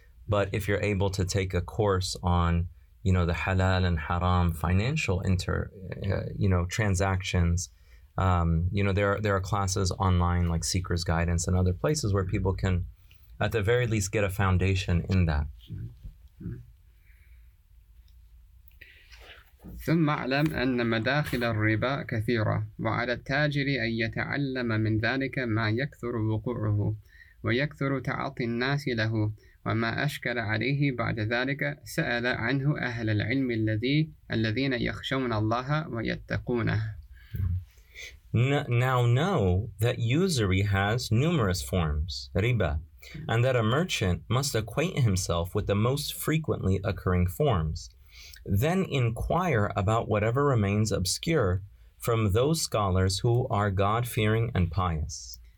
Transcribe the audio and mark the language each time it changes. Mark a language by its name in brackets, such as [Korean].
[English] But if you're able to take a course on, you know, the halal and haram financial transactions, you know, there are classes online like Seeker's Guidance and other places where people can at the very least get a foundation in that. Mm-hmm. [Arabic] ثم أعلم أن مداخل الربا كثيرة وعلى التاجر أن يتعلم من ذلك ما يكثر وقوعه ويكثر تعاطي الناس له وما أشكل عليه بعد ذلك سأل عنه أهل العلم الذين يخشون الله ويتقونه. [English] Now know that usury has numerous forms, riba, and that a merchant must acquaint himself with the most frequently occurring forms. Then inquire about whatever remains obscure from those scholars who are God-fearing and pious.